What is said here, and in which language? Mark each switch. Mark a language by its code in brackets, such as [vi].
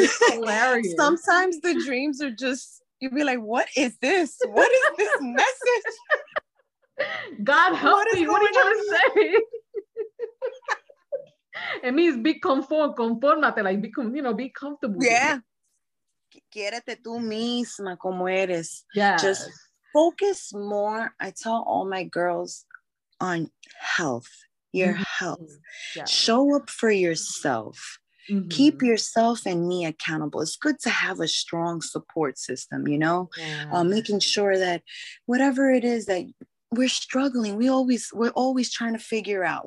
[en] Hilarious. Sometimes the dreams are just, you'd be like, what is this? What is this message? God help me. What are you trying to say? It means be conformate, like become, you know, be comfortable. Yeah. [es] Quédate tú misma como eres. [en] Yeah. Just focus more, I tell all my girls, on health, your health. Yeah. Show up for yourself. Mm-hmm. Keep yourself and me accountable. It's good to have a strong support system, you know, making sure that whatever it is that we're struggling, we're always trying to figure out.